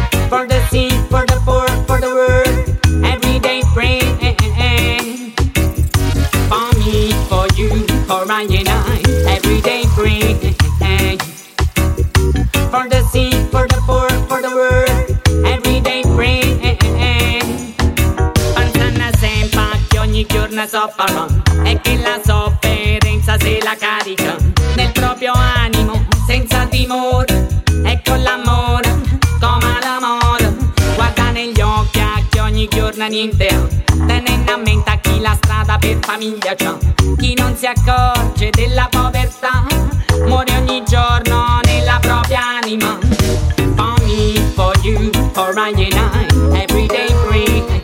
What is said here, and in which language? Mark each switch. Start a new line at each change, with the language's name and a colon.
English: For the sea, for the poor, for the world, every day praying. For me, for you, for Ryan and I, every day praying. For the sea, for the poor, for the world, every day praying.
Italian: Pantana sempa, che ogni giorno soffro, e che la sofferenza se la carica nel proprio animo, senza timore. Ecco l'amore, come l'amore. Guarda negli occhi a chi ogni giorno niente ha. Tenendo a mente a chi la strada per famiglia c'ha. Chi non si accorge della povertà, muore ogni giorno nella propria anima.
English: For me, for you, for Ryan and I, every day free.